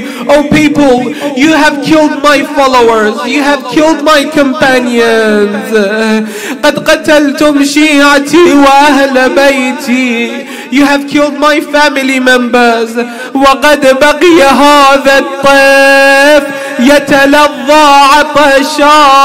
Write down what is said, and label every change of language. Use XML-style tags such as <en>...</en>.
<en>Oh people, you have killed my followers, you have killed my companions.</en> <ar>قد قتلتم شيعتي وأهل بيتي.</ar> <en>You have killed my family members.</en> <ar>وقد بقي هذا الطيف يتلظى عطشا.</ar>